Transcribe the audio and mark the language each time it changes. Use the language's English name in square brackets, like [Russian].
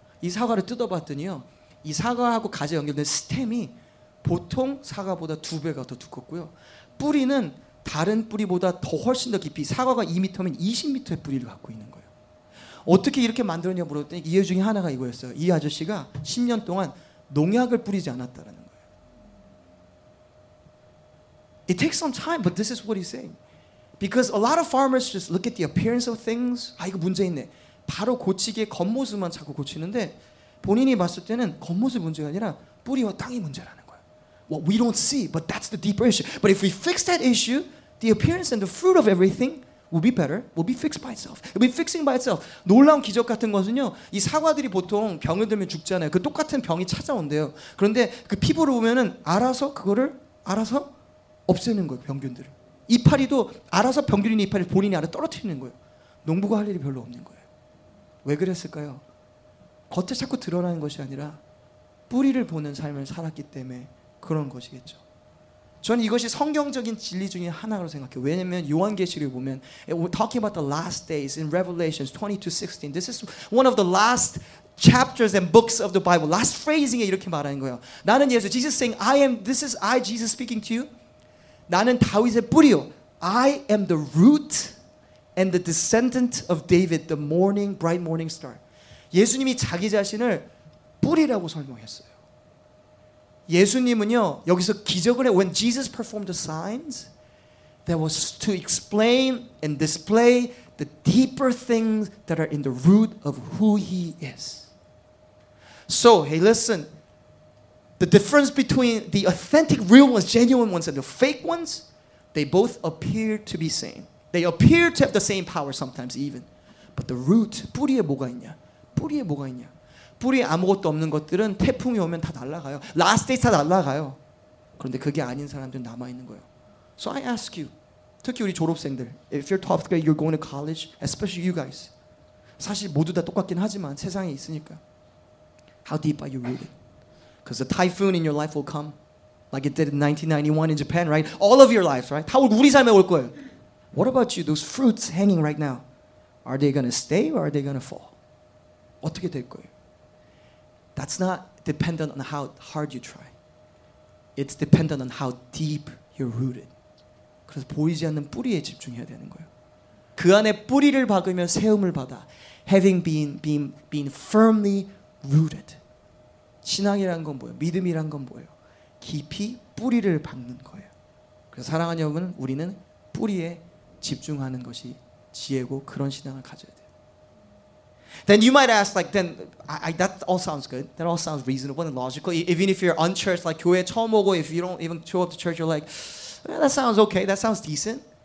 [Korean] 이 사과를 뜯어봤더니요, 이 사과하고 가지 연결된 스템이 보통 사과보다 두 배가 더 두껍고요. 뿌리는 다른 뿌리보다 더 훨씬 더 깊이, 사과가 2m면 20m의 뿌리를 갖고 있는 거예요. 어떻게 이렇게 만들었냐 물었더니 이유 중에 하나가 이거였어요. 이 아저씨가 10년 동안 농약을 뿌리지 않았다는 거예요. [English] It takes some time, but this is what he's saying. Because a lot of farmers just look at the appearance of things. [Korean] 아, 이거 문제 있네. 바로 고치기에 겉모습만 자꾸 고치는데 본인이 봤을 때는 겉모습 문제가 아니라 뿌리와 땅이 문제라는 거야. [English] What we don't see, but that's the deeper issue. But if we fix that issue, the appearance and the fruit of everything will be better, will be fixed by itself. It'll be fixing by itself. [Korean] 놀라운 기적 같은 것은요, 이 사과들이 보통 병을 들면 죽잖아요. 그 똑같은 병이 찾아온대요. 그런데 그 피부를 보면은 알아서 그거를 알아서 없애는 거예요, 병균들을. 이파리도 알아서 병균이 있는 이파리를 본인이 알아 떨어뜨리는 거예요. 농부가 할 일이 별로 없는 거예요. 왜 그랬을까요? 겉에 자꾸 드러나는 것이 아니라 뿌리를 보는 삶을 살았기 때문에 그런 것이겠죠. 저는 이것이 성경적인 진리 중에 하나로 생각해요. 왜냐하면 요한계시록을 보면 [English] we're talking about the last days in Revelations 22:16. This is one of the last chapters and books of the Bible. [Korean] Last phrasing에 이렇게 말하는 거예요. 나는 예수. [English] Jesus saying, I am. This is I, Jesus speaking to you. [Korean] 나는 다윗의 뿌리요. [English] I am the root and the descendant of David, the morning, bright morning star. [Korean] 예수님이 자기 자신을 뿌리라고 설명했어요. 예수님은요, 여기서 기적을 해. [English] When Jesus performed the signs, that was to explain and display the deeper things that are in the root of who he is. So, hey, listen. The difference between the authentic, real ones, genuine ones, and the fake ones, they both appear to be same. They appear to have the same power sometimes even. But the root, [Korean] 뿌리에 뭐가 있냐? 뿌리에 뭐가 있냐? 뿌리에 아무것도 없는 것들은 태풍이 오면 다 날아가요. [English] Last days [Korean] 다 날아가요. 그런데 그게 아닌 사람들은 남아있는 거예요. [English] So I ask you, [Korean] 특히 우리 졸업생들, [English] if you're top grade, you're going to college, especially you guys. [Korean] 사실 모두 다 똑같긴 하지만 세상에 있으니까. [English] How deep are you rooted? Because a typhoon in your life will come, like it did in 1991 in Japan, right? All of your lives, right? [Korean] 다 우리 삶에 올 거예요. [English] What about you, those fruits hanging right now? Are they going to stay or are they going to fall? [Korean] 어떻게 될 거예요? [English] That's not dependent on how hard you try. It's dependent on how deep you're rooted. [Korean] 그래서 보이지 않는 뿌리에 집중해야 되는 거예요. 그 안에 뿌리를 박으면 세움을 받아. [English] Having been firmly rooted. [Korean] 신앙이란 건 뭐예요? 믿음이란 건 뭐예요? 깊이 뿌리를 박는 거예요. 그래서 사랑하는 여러분, 우리는 뿌리에 집중하는 것이 지혜고 그런 신앙을 가져야 돼요. [English] Then you might ask, like, then I, that all sounds good. That all sounds reasonable and logical. Even if you're unchurched, like, [Korean] 교회 처음 오고, [English] if you don't even show up to church, you're like, eh, that sounds okay, that sounds decent.